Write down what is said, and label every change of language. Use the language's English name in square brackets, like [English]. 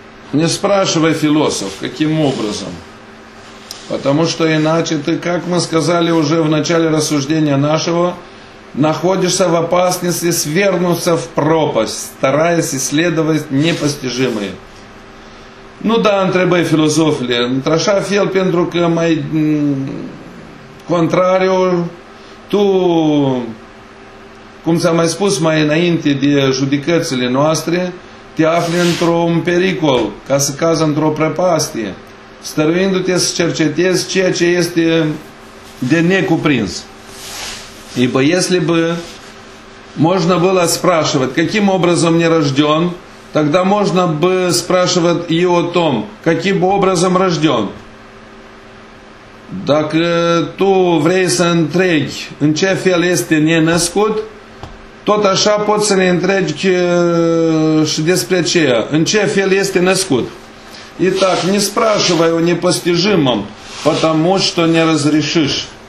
[Russian] Не спрашивай философ, каким образом? Потому что иначе ты, как мы сказали уже в начале рассуждения нашего, находишься в опасности свернуться в пропасть, стараясь исследовать непостижимые. [Romanian] Ну да, întrebă философле, într-așa fel, pentru că mai contrariu, tu, cum ți-am mai spus mai înainte de judecățile noastre, te afli într-un pericol, ca să cazi într-o prăpastie, stăruindu-te să cercetezi ceea ce este de necuprins. [Russian] Ибо если бы можно было спрашивать, каким образом не рожден, тогда можно бы спрашивать и о том, каким образом рожден. [Romanian] Dacă tu vrei să întrebi în ce fel este nenăscut, Tot așa poți să ne întregi și despre aceea. În ce fel este născut? [Russian] И так, не спрашивай о непостижимом, потому что не разрешишь.